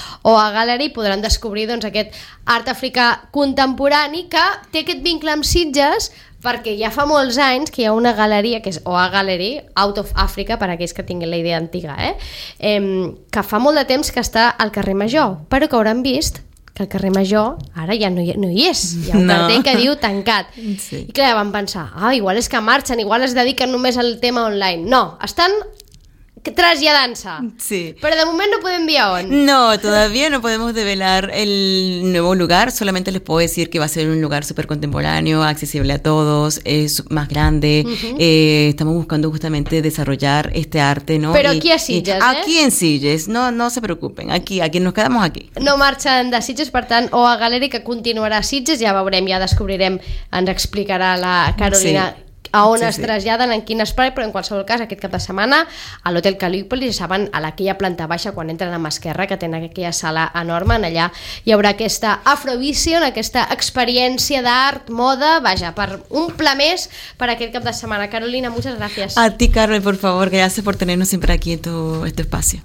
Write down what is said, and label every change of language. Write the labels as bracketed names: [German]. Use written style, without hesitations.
[Catalan] Oa Gallery, podran descobrir, doncs, aquest art africà contemporani que té aquest vincle amb Sitges, perquè ja fa molts anys que hi ha una galeria, que és Oa Gallery, Out of Africa, per a aquells que tinguin la idea antiga, que fa molt de temps que està al carrer Major, però que hauran vist que el carrer Major ara ja no hi és. Hi ha un cartell que diu tancat. Sí. I clar, vam pensar, igual és que marxen, igual es dediquen només al tema online. No, estan traslladant-se. Sí. Però de moment no podem dir on. [Spanish] No, todavía no podemos develar el nuevo lugar. Solamente les puedo decir que va a ser un lugar súper contemporáneo, accesible a todos, es más grande. Uh-huh. Estamos buscando justamente desarrollar este arte, ¿no? [Catalan] Però aquí a Sitges, ¿eh? [Spanish] Aquí en Sitges, no se preocupen. Aquí nos quedamos aquí. [Catalan] No marxen de Sitges, per tant, o a Galeri, que continuarà a Sitges, ja veurem, ja descobrirem, ens explicarà la Carolina. Sí. A on sí, es traslladen, en quin espai, però en qualsevol cas, aquest cap de setmana, a l'Hotel Calípolis, ja saben, a aquella planta baixa, quan entren a mà esquerra, que tenen aquella sala enorme, allà hi haurà aquesta Afrovision, aquesta experiència d'art, moda, vaja, per un pla més per aquest cap de setmana. Carolina, moltes gràcies. [Spanish] A ti, Carmen, por favor, gracias por tenernos siempre aquí en tu espacio.